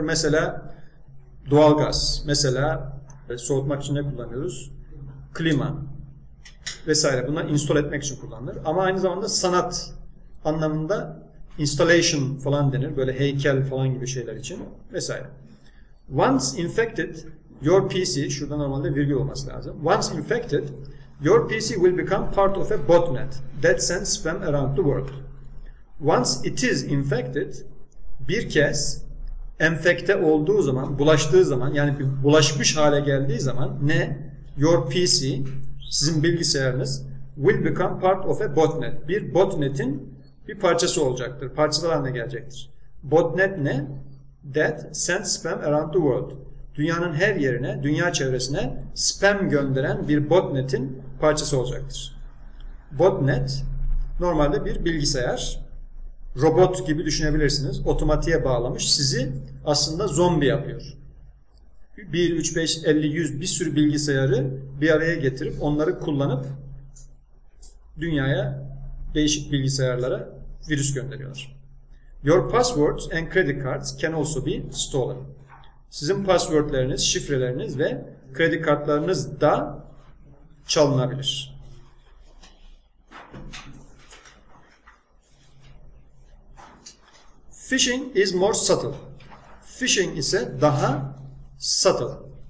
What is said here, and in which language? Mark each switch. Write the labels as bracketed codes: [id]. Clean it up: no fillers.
[tr] Mesela doğalgaz, mesela soğutmak için ne kullanıyoruz? Klima vesaire, bunlar install etmek için kullanılır. Ama aynı zamanda sanat anlamında installation falan denir, böyle heykel falan gibi şeyler için vesaire. [en] Once infected, your PC, [tr] şurada normalde virgül olması lazım. [en] Once infected, your PC will become part of a botnet that sends spam around the world. Once it is infected, [tr] bir kez enfekte olduğu zaman, bulaştığı zaman, yani bir bulaşmış hale geldiği zaman, ne? [en] Your PC, [tr] sizin bilgisayarınız, [en] will become part of a botnet. [tr] Bir botnetin bir parçası olacaktır, parçalar haline gelecektir. Botnet ne? [en] That sends spam around the world. [tr] Dünyanın her yerine, dünya çevresine spam gönderen bir botnetin parçası olacaktır. Botnet, normalde bir bilgisayar, robot gibi düşünebilirsiniz, otomatiğe bağlamış, sizi aslında zombi yapıyor. 1, 3, 5, 50, 100 bir sürü bilgisayarı bir araya getirip, onları kullanıp dünyaya, değişik bilgisayarlara virüs gönderiyorlar. [en] Your passwords and credit cards can also be stolen. [tr] Sizin passwordleriniz, şifreleriniz ve kredi kartlarınız da çalınabilir. [en] Phishing is more subtle. [tr] Phishing ise daha subtle.